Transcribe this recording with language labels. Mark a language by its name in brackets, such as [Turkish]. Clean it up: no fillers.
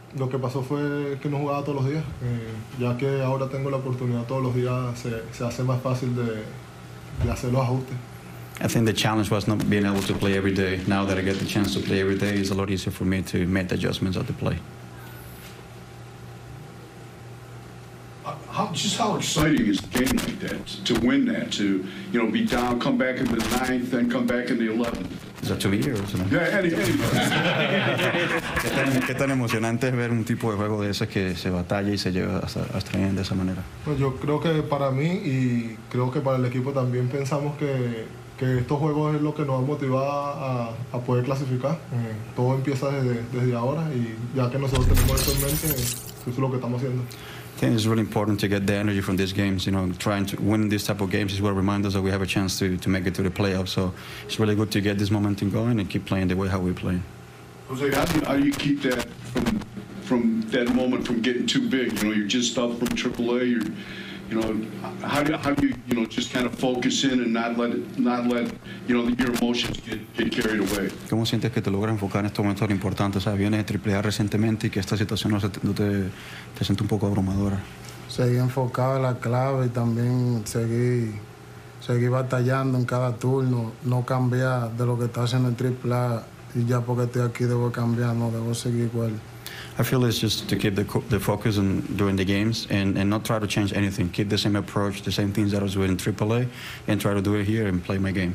[Spanish] Lo que pasó fue que no jugaba todos los días. Ya que ahora tengo la oportunidad todos los días, se hace más fácil de hacer los ajustes. [English] I think the challenge was not being able to play every day. Now that I get the chance to play every day, it's a lot easier for me to make the adjustments at the play. How exciting is a game like that, to win that, to, you know, be down, come back in the ninth, then come back in the 11th? Is that 2 years or something? Yeah, [Spanish] ¿Qué tan emocionante es ver un tipo de juego de ese que se batalla y se lleva hasta bien de esa manera? Pues yo creo que para mí y creo que para el equipo también pensamos que estos juegos es lo que nos ha motivado a poder clasificar. Todo empieza desde ahora y ya que nosotros tenemos eso en mente, eso es lo que estamos haciendo. [English] I think it's really important to get the energy from these games. You know, trying to win these type of games is what reminds us that we have a chance to make it to the playoffs. So it's really good to get this momentum going and keep playing the way how we're playing. Jose, how do you keep that from that moment from getting too big? You know, you're just up from AAA. How do you just kind of focus in and not let you know your emotions get carried away? [Spanish] ¿Cómo sientes que te logras enfocar en estos momentos importantes? O sea, vienes de AAA recientemente y que esta situación no te siente un poco abrumadora. Seguir enfocado en la clave y también seguir batallando en cada turno, no cambiar de lo que está haciendo en AAA y ya porque estoy aquí debo cambiar, no debo seguir igual. [English] I feel it's just to keep the focus on doing the games and not try to change anything. Keep the same approach, the same things that I was doing in AAA, and try to do it here and play my game.